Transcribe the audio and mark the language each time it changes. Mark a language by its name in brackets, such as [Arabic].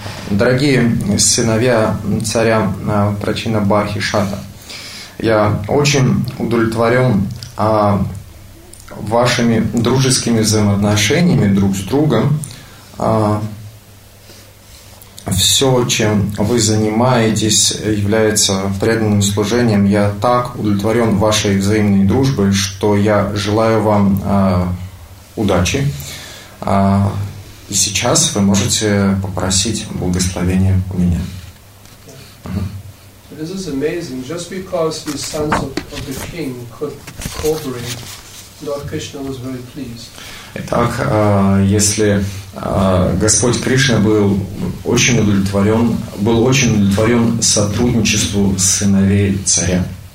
[Russian] Дорогие сыновья царя Прачинабхахишата, я очень удовлетворен вашими дружескими взаимоотношениями друг с другом, все, чем вы занимаетесь, является преданным служением. Я так удовлетворен вашей взаимной дружбой, что я желаю вам удачи. И сейчас вы можете попросить благословения у меня. [English] This is amazing. Just because the sons of the king could cooperate, Lord Krishna was very pleased. [Russian] Итак, если Господь Кришна был очень удовлетворен, сотрудничеству сыновей царя.